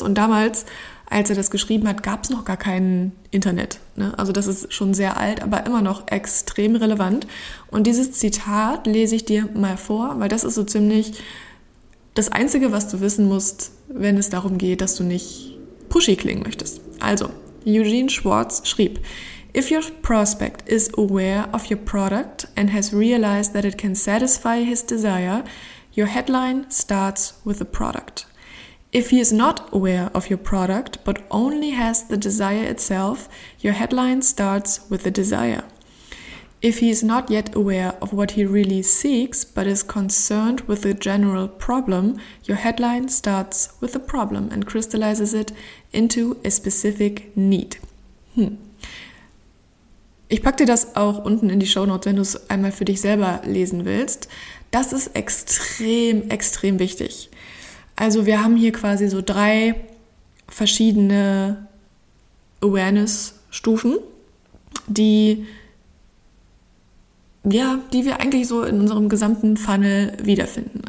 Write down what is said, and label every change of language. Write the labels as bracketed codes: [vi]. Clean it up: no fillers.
[de] Und damals, als er das geschrieben hat, gab es noch gar kein Internet. Ne? Also das ist schon sehr alt, aber immer noch extrem relevant. Und dieses Zitat lese ich dir mal vor, weil das ist so ziemlich das Einzige, was du wissen musst, wenn es darum geht, dass du nicht pushy klingen möchtest. Also, Eugene Schwartz schrieb: [en] "If your prospect is aware of your product and has realized that it can satisfy his desire, your headline starts with the product. If he is not aware of your product, but only has the desire itself, your headline starts with the desire. If he is not yet aware of what he really seeks, but is concerned with the general problem, your headline starts with the problem and crystallizes it into a specific need." [de] Ich packe dir das auch unten in die Shownotes, wenn du es einmal für dich selber lesen willst. Das ist extrem, extrem wichtig. Also wir haben hier quasi so drei verschiedene Awareness-Stufen, die wir eigentlich so in unserem gesamten Funnel wiederfinden.